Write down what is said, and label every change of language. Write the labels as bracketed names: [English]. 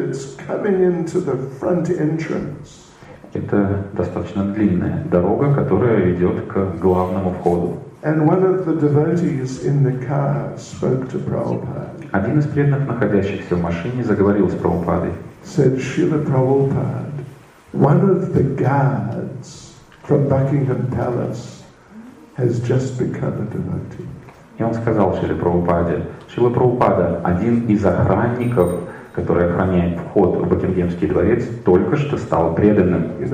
[English] It's coming into the front entrance. [Russian] Это достаточно длинная дорога, которая ведет к главному входу. [English] And one of the devotees in the car spoke to Prabhupada. [Russian] Один из преданных, находящихся в машине, заговорил с Прабхупадой. [English] Said Srila Prabhupada, one of the guards from Buckingham Palace has just become a devotee. [Russian] И он сказал Шриле Прабхупаде, Шрила Прабхупада, один из охранников, который охраняет вход в Букингемский дворец, только что стал преданным.